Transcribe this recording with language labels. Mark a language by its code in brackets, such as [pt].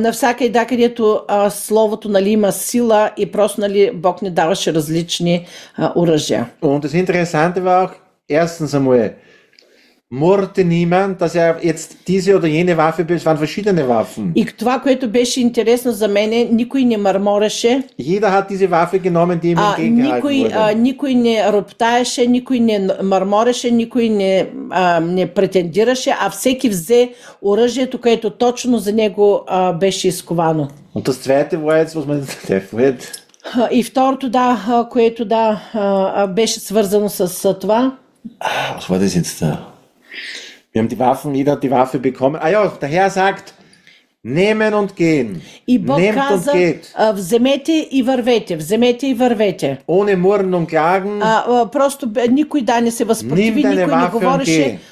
[bg] Навсякъде, да, където словото, нали, има сила и просто, нали, Бог ни даваше различни оръжия. [de] Und das Interessante war auch, erstens einmal, murrte niemand, dass er jetzt diese oder jene Waffe benutzt, waren verschiedene Waffen. [bg] И това, което беше интересно за мене, никой не мърмореше. [de] Jeder hat diese Waffe genommen, die ihm entgegengehalten wurde. [bg] Никой не роптаеше, никой не мърмореше, никой не претендираше, а всеки взе оръжието, което точно за него беше изковано. [de] Und das zweite war jetzt, was man definiert. [bg] И второто, да, което, да, беше свързано с това. [de] Was war das jetzt da? Wir haben die Waffen, jeder hat die Waffe bekommen. Ah ja, der Herr sagt, nehmen und gehen. [bg] И Бог [de] Nehmt [bg] каза, [de] und geht. [bg] Вземете и вървете, вземете и вървете. [de] Ohne murren und klagen. [bg] Просто никой да не се възпротиви, никой не говореше.